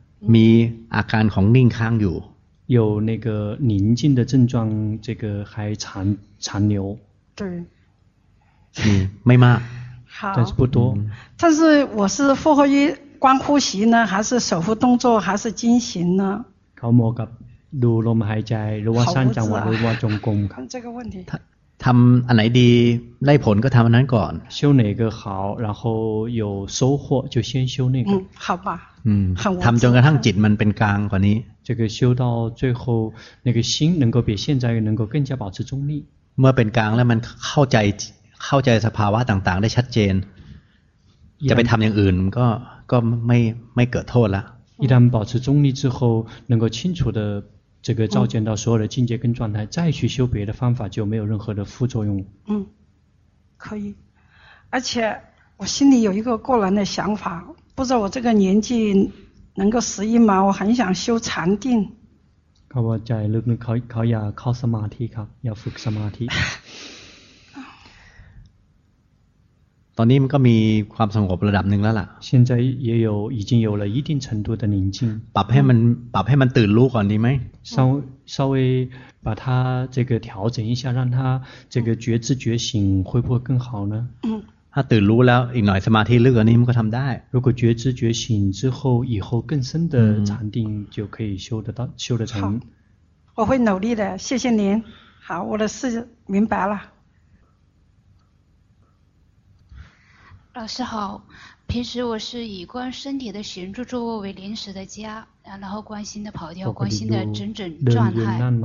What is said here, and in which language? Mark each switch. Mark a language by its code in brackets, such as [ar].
[zh] 有 [th] อาการของนิ่งค้างอยู่ [zh] 有那个宁静的症状这个还残留对嗯没嘛好但是不多但是我是复合于观呼吸呢还是手部动作还是精行呢考摩 [th] กับดูลมหายใจหรือว่าสร้างจังหวะหรือว่าจงกรมครับ ทำ ทำอันไหนดีได้ผลก็ทำอันนั้นก่อน [zh] 修哪个好然后有收获就先修那个嗯好吧 [th] 嗯ทำจนกระทั่งจิตมันเป็นกลางกว่านี้ [zh] 这个修到最后那个心能够比现在能够更加保持中立 [th] เมื่อเป็นกลางแล้วมันเข้าใจสภาวะต่างๆได้ชัดเจนจะไปทำอย่างอื่นก็ไม่เกิดโทษละ [zh] 一旦保持中立之后，能够清楚的这个照见到所有的境界跟状态，再去修别的方法就没有任何的副作用。嗯，可以。而且我心里有一个过来的想法，不知道我这个年纪能够适应吗？我很想修禅定。 [th] เขาบอกใจลึกๆเขาอยากเข้าสมาธิครับอยากฝึกสมาธิ ตอนนี้มันก็มีความสงบระดับหนึ่งแล้วล่ะ [zh] 现在也有已经有了一定程度的宁静 [th] ปรับให้มันตื่นรู้ก่อนดีไหม [zh] 稍微把它这个调整一下让它这个觉知觉醒会不会更好呢 [th] ถ้าตื่นรู้แล้วอีกหน่อยสมาธิลึกกว่านี้มันก็ทำได้ [zh] 如果觉知觉醒之后以后更深的禅定就可以修得到修得成我会努力的谢谢您好我的事明白了老师好，平时我是以观身体的行住坐卧为临时的家，然后关心的跑调，关心的整整状态。